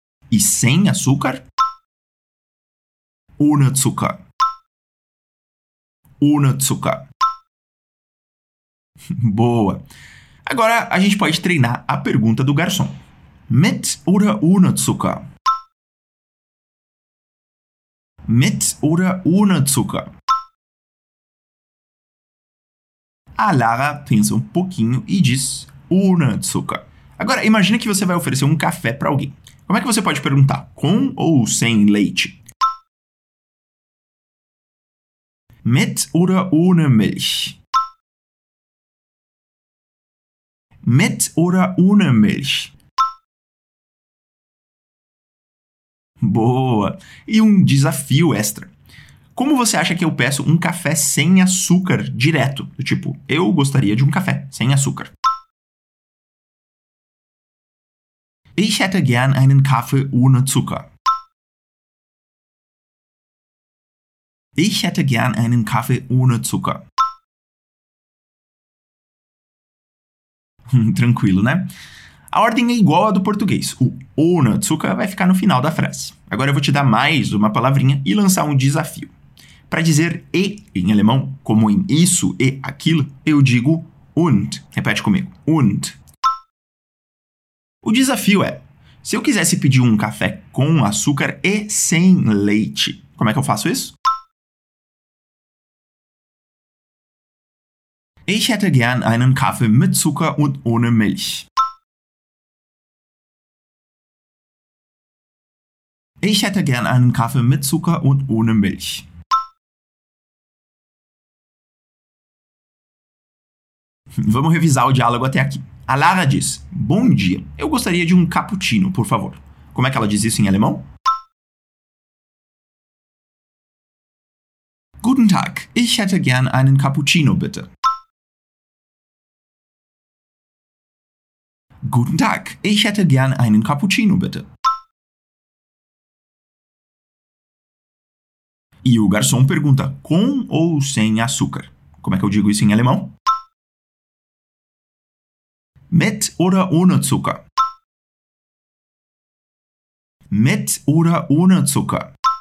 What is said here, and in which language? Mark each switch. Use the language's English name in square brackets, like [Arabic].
[Portuguese] E sem açúcar? Ohne Zucker. [German] Ohne Zucker. [Portuguese] Boa! Agora, a gente pode treinar a pergunta do garçom. [German] Mit oder ohne Zucker? [Portuguese] Mit oder ohne Zucker? A Lara pensa um pouquinho e diz ohne Zucker. Agora, imagina que você vai oferecer um café para alguém. Como é que você pode perguntar? Com ou sem leite? [German] Mit oder ohne Milch? Mit oder ohne Milch? [Portuguese] Boa! E um desafio extra. Como você acha que eu peço um café sem açúcar direto? Do tipo, eu gostaria de um café sem açúcar. [German] Ich hätte gern einen Kaffee ohne Zucker. Ich hätte gern einen Kaffee ohne Zucker. [Portuguese] Tranquilo, né? A ordem é igual à do português. O ohne Zucker vai ficar no final da frase. Agora eu vou te dar mais uma palavrinha e lançar um desafio. Para dizer e em alemão, como em isso e aquilo, eu digo und. Repete comigo. Und. O desafio é, se eu quisesse pedir um café com açúcar e sem leite, como é que eu faço isso? [German] Ich hätte gern einen Kaffee mit Zucker und ohne Milch. Ich hätte gern einen Kaffee mit Zucker und ohne Milch. [Portuguese] Vamos revisar o diálogo até aqui. A Lara diz: bom dia, eu gostaria de um cappuccino, por favor. Como é que ela diz isso em alemão? [German] Guten Tag, ich hätte gern einen cappuccino, bitte. Guten Tag, ich hätte gern einen cappuccino, bitte. [Portuguese] E o garçom pergunta: com ou sem açúcar? Como é que eu digo isso em alemão? [German] Mit oder ohne Zucker? Mit oder ohne Zucker?